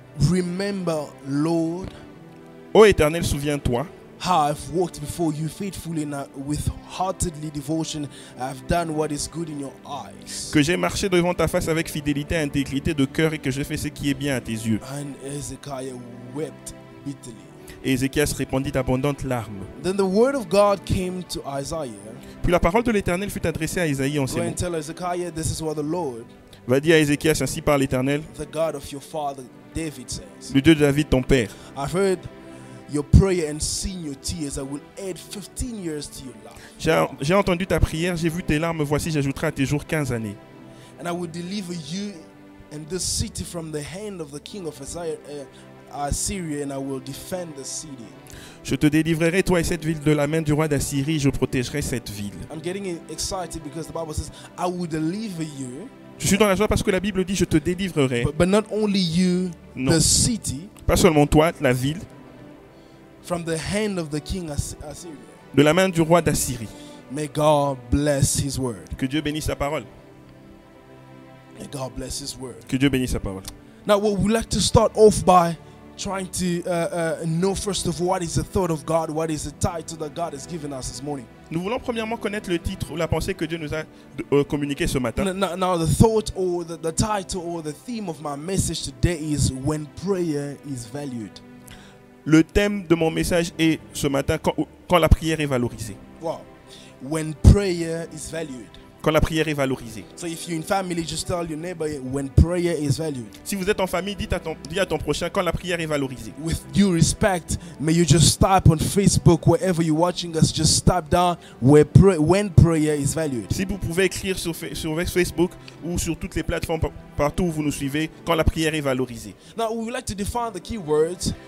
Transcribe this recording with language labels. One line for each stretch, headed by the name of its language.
English: Remember, Lord.
French: Ô Éternel, souviens-toi.
English: How I've walked before you faithfully and with heartedly devotion, I've done what is good in your eyes.
French: Que j'ai marché devant ta face avec fidélité et intégrité de cœur et que j'ai fait ce qui est bien à tes yeux.
English: And Ezekiah wept bitterly.
French: Et Ézéchias répondit d'abondantes larmes.
English: Then the word of God came to Isaiah.
French: Puis la parole de l'Éternel fut adressée à Isaïe en ces mots.
English: Go and tell Ezekiah, this is what the Lord.
French: Va dire à Ézéchias, ainsi parle l'Éternel.
English: The God of your father David says.
French: Le Dieu de David, ton père.
English: I've heard your prayer and seen your tears. I will add 15 years to your life.
French: J'ai entendu ta prière, j'ai vu tes larmes. Voici, j'ajouterai à tes jours 15 années.
English: And I will deliver you and this city from the hand of the king of Assyria, and I will defend the city.
French: Je te délivrerai toi et cette ville de la main du roi d'Assyrie. Je protégerai cette ville.
English: I'm getting excited because the Bible says I will deliver you.
French: Je suis dans la joie parce que la Bible dit je te délivrerai.
English: But not only you,
French: non.
English: The city.
French: Pas seulement toi, la ville.
English: From the hand of the king Assyria.
French: De la main du roi d'Assyrie.
English: May God bless his word.
French: Que Dieu bénisse sa parole.
English: May God bless his word.
French: Que Dieu bénisse sa parole.
English: Now what we'd like to start off by trying to know first of what is the thought of God, what is the title that God has given us this morning.
French: Nous voulons premièrement connaître le titre ou la pensée que Dieu nous a communiqué ce matin.
English: Now the thought or the title or the theme of my message today is when prayer is valued.
French: Le thème de mon message est ce matin quand la prière est valorisée.
English: Wow. When prayer is valued.
French: Quand la prière est valorisée.
English: So if you're in family, just tell your neighbor when prayer is valued.
French: Si vous êtes en famille, dis à ton prochain quand la prière est valorisée.
English: With due respect, may you just stop on Facebook, wherever you're watching us, just stop down when prayer is valued.
French: Si vous pouvez écrire sur Facebook ou sur toutes les plateformes partout où vous nous suivez quand la prière est valorisée.
English: Now we would like to define the key words.